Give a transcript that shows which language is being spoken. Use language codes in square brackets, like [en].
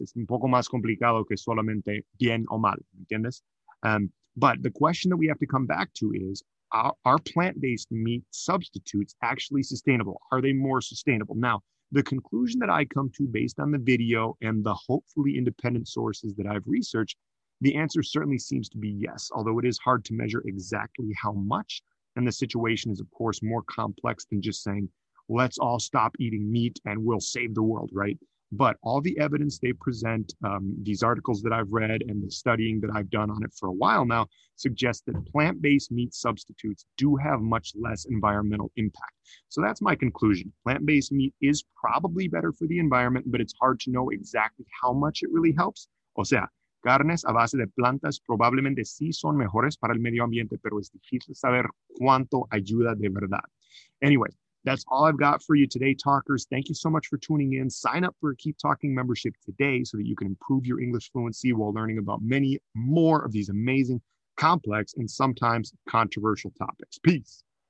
[es] Es un poco más complicado que solamente bien o mal, ¿entiendes? [en] But the question that we have to come back to is, are plant-based meat substitutes actually sustainable? Are they more sustainable? Now, the conclusion that I come to based on the video and the hopefully independent sources that I've researched, the answer certainly seems to be yes, although it is hard to measure exactly how much. And the situation is, of course, more complex than just saying, let's all stop eating meat and we'll save the world, right? But all the evidence they present, these articles that I've read and the studying that I've done on it for a while now, suggest that plant-based meat substitutes do have much less environmental impact. So that's my conclusion. Plant-based meat is probably better for the environment, but it's hard to know exactly how much it really helps. [es] O sea, carnes a base de plantas probablemente sí son mejores para el medio ambiente, pero es difícil saber cuánto ayuda de verdad. [en] Anyway. That's all I've got for you today, talkers. Thank you so much for tuning in. Sign up for a Keep Talking membership today so that you can improve your English fluency while learning about many more of these amazing, complex, and sometimes controversial topics. Peace.